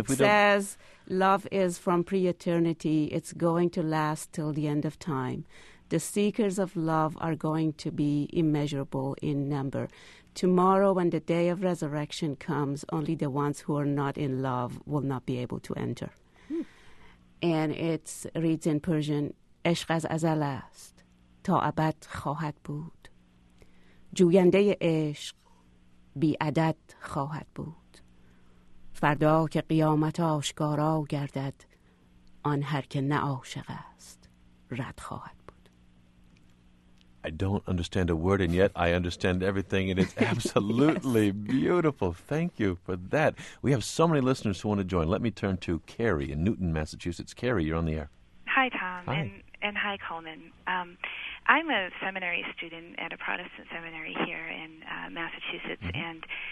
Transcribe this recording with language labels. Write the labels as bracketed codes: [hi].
[en] It says, love is from pre-eternity. It's going to last till the end of time. The seekers of love are going to be immeasurable in number. Tomorrow, when the day of resurrection comes, only the ones who are not in love will not be able to enter. Hmm. And it reads in Persian, [fa] عشق از ازل است تا ابد خواهد بود جوینده عشق بی عدد خواهد بود فردا که قیامت آشکارا گردد آن هر که نه عاشق است رد خواهد بود. [en] I don't understand a word, and yet I understand everything, and it's absolutely yes. beautiful. Thank you for that. We have so many listeners who want to join. Let me turn to Carrie in Newton, Massachusetts. Carrie, you're on the air. Hi, Tom. Hi. And hi, Coleman. I'm a seminary student at a Protestant seminary here in Massachusetts, mm-hmm.